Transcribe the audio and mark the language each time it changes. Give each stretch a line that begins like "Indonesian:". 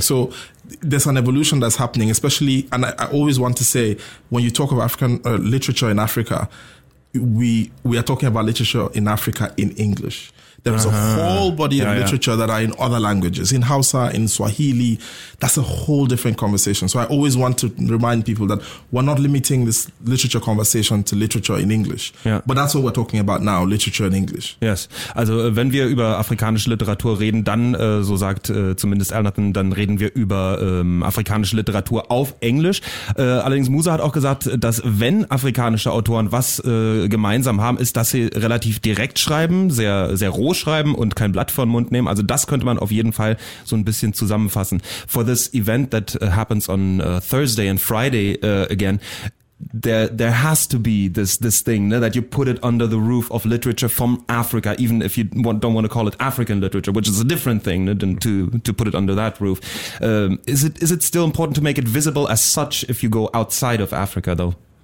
English: So there's an evolution that's happening, especially, and I always want to say, when you talk of African literature in Africa, we are talking about literature in Africa in English. There is a whole body of literature that are in other languages, in Hausa, in Swahili. That's a whole different conversation. So I always want to remind people that we're not limiting this literature conversation to literature in English. Yeah. But that's what we're talking about now, literature in English. Yes.
German: Also wenn wir über afrikanische Literatur reden, dann, so sagt zumindest Elnathan, dann reden wir über afrikanische Literatur auf Englisch. Allerdings Musa hat auch gesagt, dass wenn afrikanische Autoren was gemeinsam haben, ist, dass sie relativ direkt schreiben, sehr, sehr roh schreiben und kein Blatt vor den Mund nehmen. Also das könnte man auf jeden Fall so ein bisschen zusammenfassen.
English: For this event that happens on Thursday and Friday again, there has to be this thing, ne, that you put it under the roof of literature from Africa, even if you don't want to call it African literature, which is a different thing, ne, than to put it under that roof. Is it still important to make it visible as such if you go outside of Africa, though?